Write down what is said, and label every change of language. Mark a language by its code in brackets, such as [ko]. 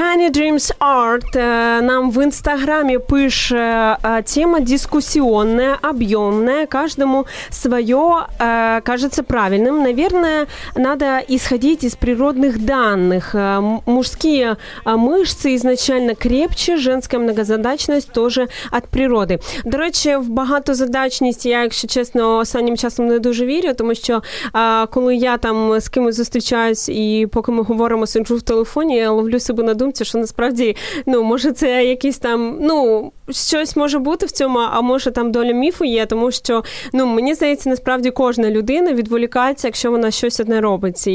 [ru] Dreams Art нам в Инстаграме пише: тема дискуссионная, объемная, каждому свое кажется правильным. Наверное, надо исходить из природных данных. Мужские мышцы изначально крепче, женская многозадачность тоже от природы. [uk] До речі, в багатозадачність я, якщо чесно, останнім часом не дуже вірю, тому що коли я там з кимось зустрічаюсь і поки ми говоримо, сиджу в телефоні, я ловлю себе на думці, що насправді, ну, може це якийсь там, ну, щось може бути в цьому, а може там доля міфу є, тому що, ну, мені здається, насправді кожна людина відволікається, якщо вона щось одне робить.